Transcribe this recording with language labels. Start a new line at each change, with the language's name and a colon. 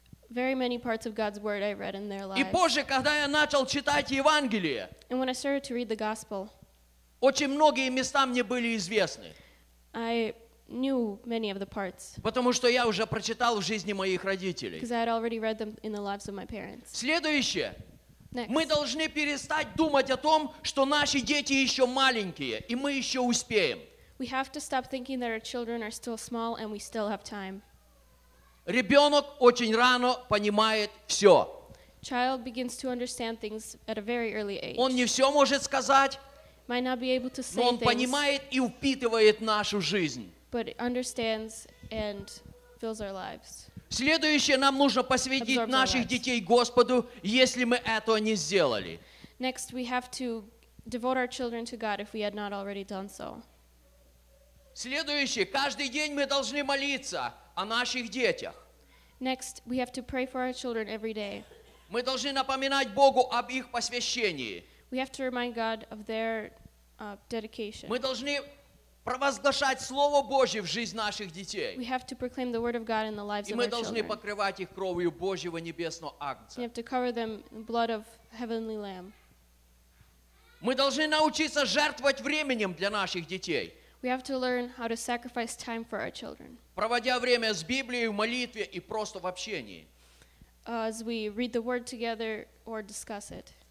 English: Very many parts of God's word I read in their lives.
Russian: И позже, когда я начал читать Евангелие,
English: and when I started to read the gospel,
Russian: очень многие места мне были известны.
English: I knew many of the parts.
Russian: Потому что я уже прочитал в жизни моих родителей.
English: Because I had already read them in the lives of my parents.
Russian: Следующее.
English: Next.
Russian: Мы должны перестать думать о том, что наши дети еще маленькие, и мы еще успеем.
English: We have to stop thinking that our children are still small and we still have time.
Russian: Ребенок очень рано понимает все.
English: Child begins to understand things at a very early age.
Russian: Он не все может сказать,
English: might not be able to say
Russian: но он
English: things,
Russian: понимает и впитывает нашу жизнь.
English: But understands and fills our lives.
Russian: Следующее, нам нужно посвятить наших детей Господу, если мы этого не сделали.
English: Next, we have to devote our children to God if we had not already done so.
Russian: Следующее, каждый день мы должны молиться о наших детях.
English: Next, we have to pray for our children every day.
Russian: Мы должны напоминать Богу об их посвящении.
English: We have to remind God of their dedication.
Russian: Мы должны провозглашать Слово Божье в жизнь наших детей.
English: We have to proclaim the word of God in the lives of our children.
Russian: И мы должны покрывать их кровью Божьего небесного агнца.
English: We have to cover them in the blood of heavenly lamb.
Russian: Мы должны научиться жертвовать временем для наших детей.
English: We have to learn how to sacrifice time for our children.
Russian: Проводя время с Библией, в молитве и просто в общении.
English: As we read the word together or discuss it.